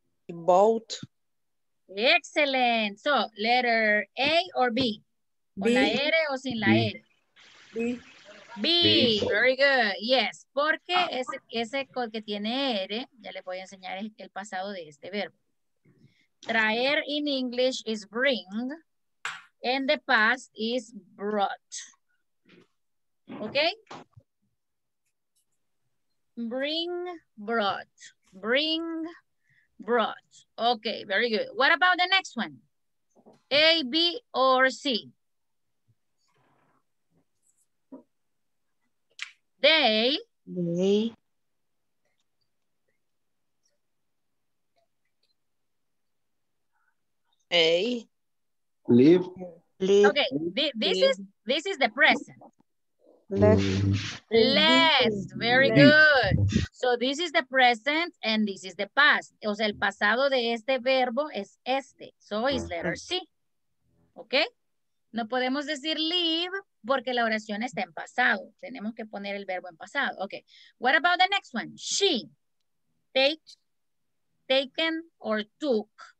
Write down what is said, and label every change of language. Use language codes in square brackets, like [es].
[en] bought. Excellent. So, letter A or B? B. [es] ¿Con la R o sin la R? [en] B. Very good. Yes. [es] Porque ese que tiene R, ya le voy a enseñar el pasado de este verbo. [en] Traer in English is bring. And the past is brought. Okay. Bring, brought. Bring, brought. Okay, very good. What about the next one? A, B, or C? They. They. A. Live. Live. Okay, this is the present. Left. Very good. So this is the present and this is the past. [es] O sea, el pasado de este verbo es este. So it's letter C. ¿Ok? No podemos decir live porque la oración está en pasado. [en] Tenemos que poner el verbo en pasado. Ok. What about the next one? She. Take. Taken or took.